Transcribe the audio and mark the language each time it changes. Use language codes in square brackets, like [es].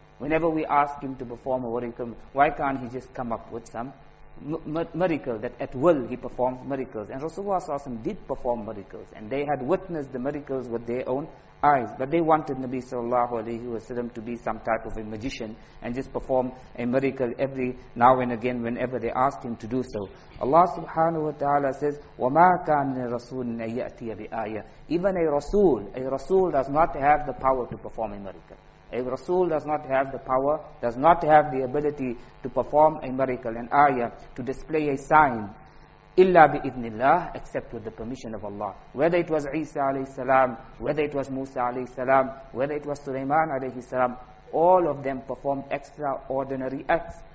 [en] Whenever we ask him to perform a miracle, why can't he just come up with some miracle that at will he performs miracles? And Rasulullah ﷺ did perform miracles, and they had witnessed the miracles with their own eyes. But they wanted Nabi sallallahu alayhi wa sallam to be some type of a magician and just perform a miracle every now and again whenever they asked him to do so. Allah subhanahu wa ta'ala says, [ar] وَمَا كَانَ رَسُولٍ أَن يَأْتِيَ بِآيَةٍ. [en] Even a Rasul does not have the power to perform a miracle. A Rasul does not have the power, does not have the ability to perform a miracle, an ayah, to display a sign. [ar] Illa bi idhnillah, [en] except with the permission of Allah. Whether it was Isa alayhi salam, whether it was Musa alayhi salam, whether it was Sulaiman alayhi salam, all of them performed extraordinary acts.